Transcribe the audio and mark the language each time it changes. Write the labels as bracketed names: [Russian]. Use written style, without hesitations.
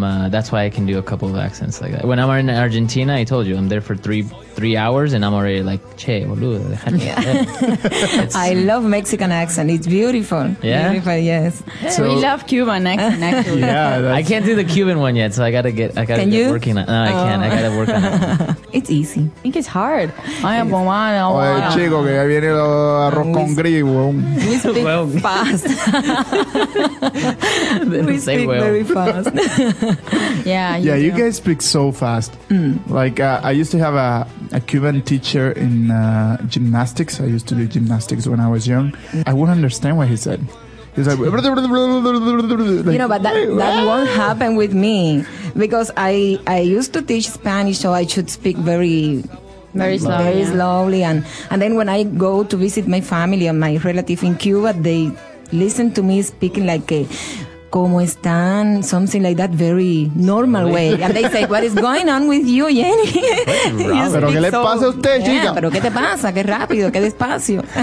[English] That's why I can do a couple of accents like that. When I'm in Argentina, I told you, I'm there for three hours and I'm already like, [Spanish] che, boludo. [English] Yeah. I love Mexican accent. It's beautiful. Yeah? Beautiful, yes. So, we love Cuban accent, actually. Yeah, I can't do the Cuban one yet, so I gotta work on it. It's easy. I think it's hard. I am Boman. [Spanish] Oye, chico, que ya viene el arroz con gris, weón. [English] We speak fast. We speak very fast. Yeah, you guys speak so fast. Mm. Like, I used to have a Cuban teacher in gymnastics. I used to do gymnastics when I was young. I wouldn't understand what he said. He's like, you know, but that won't happen with me because I used to teach Spanish, so I should speak very slowly. And then when I go to visit my family and my relative in Cuba, they listen to me speaking like a [Spanish] como están, [English] something like that, very normal way. And they say, what is going on with you, Jenny? [Spanish] Pero qué le pasa a usted, chica? Pero qué te pasa, qué rápido, qué despacio.